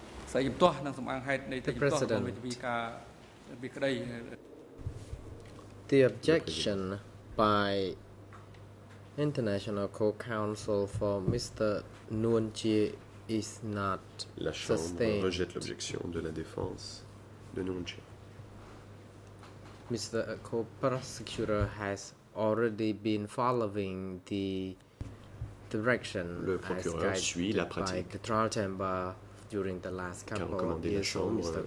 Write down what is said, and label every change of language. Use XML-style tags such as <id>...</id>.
<en>The President, the objection by International Co-Counsel for Mr. Nguyen Chi is not sustained.</en> <fr>Rejette l'objection de la défense de Nguyen Chi.</fr> <en>Mr. Co-Prosecutor has already been following the direction as guided by the trial chamber during the last couple of years, Mr.</en>